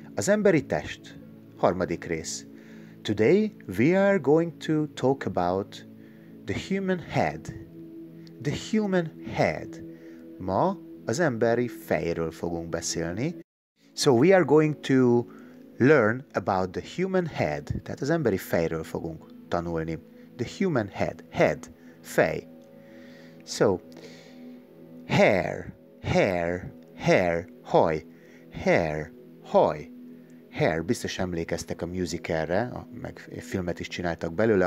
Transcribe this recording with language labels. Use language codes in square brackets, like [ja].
[hu] Az emberi test, harmadik rész. [en] Today we are going to talk about the human head. The human head. [hu] Ma az emberi fejről fogunk beszélni. [en] So we are going to learn about the human head. [hu] Tehát az emberi fejről fogunk tanulni. [en] The human head. Head. Fej. So, hair. Hair. Hair. Haj. Hair. Haj. Hair. [hu] Biztos emlékeztek a musicalre, meg filmet is csináltak belőle.